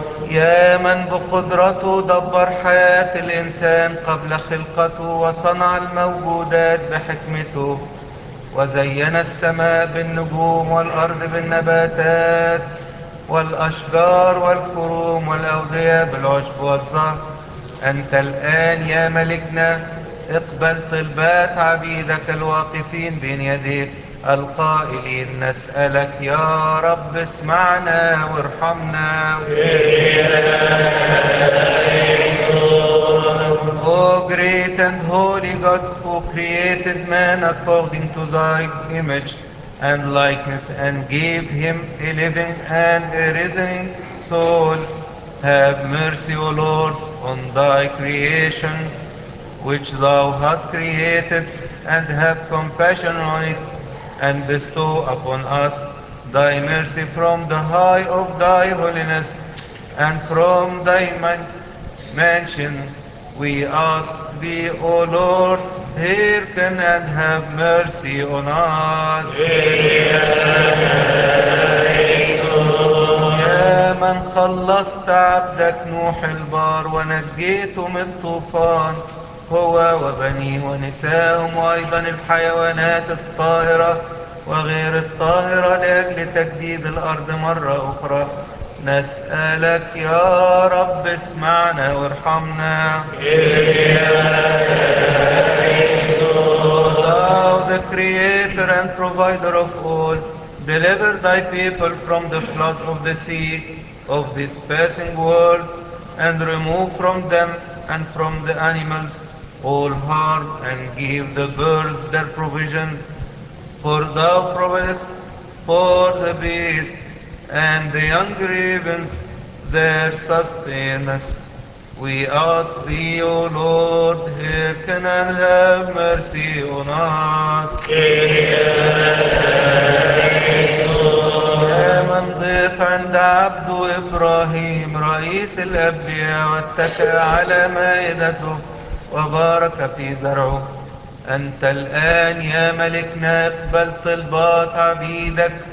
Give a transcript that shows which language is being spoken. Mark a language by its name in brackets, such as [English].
[Arabic] يا من بقدرته دبر حياة الإنسان قبل خلقته وصنع الموجودات بحكمته وزين السماء بالنجوم والأرض بالنباتات والأشجار والكروم والأودية بالعشب والزهر، أنت الآن يا ملكنا اقبل طلبات عبيدك الواقفين بين يديك القائلين نسألك يا رب اسمعنا وارحمنا. [English] O great and holy God, who created man according to thy image and likeness, and gave him a living and a reasoning soul, have mercy, O Lord, on thy creation, which thou hast created, and have compassion on it, and bestow upon us thy mercy from the high of thy holiness, and from thy mansion we ask thee, O Lord, hearken and have mercy on us. [Arabic] يا من خلصت عبدك نوح البار ونجيته من الطوفان، هو وبنيه ونساءهم وأيضا الحيوانات الطاهرة وغير الطاهرة لأجل تجديد الأرض مرة أخرى، نسألك يا رب اسمعنا وارحمنا. [English] The creator and provider of all, deliver thy people from the flood of the sea of this passing world, and remove from them and from the animals all harm, and give the birds their provisions, for thou providest for the beasts and the young ravens their sustenance. We ask thee, O Lord, hearken and have mercy on us. [Arabic] يا من ضيف عند عبد إبراهيم رئيس الأبرياء واتكأ على مائدته وبارك في زرعه، أنت الآن يا ملكنا اقبل طلبات عبيدك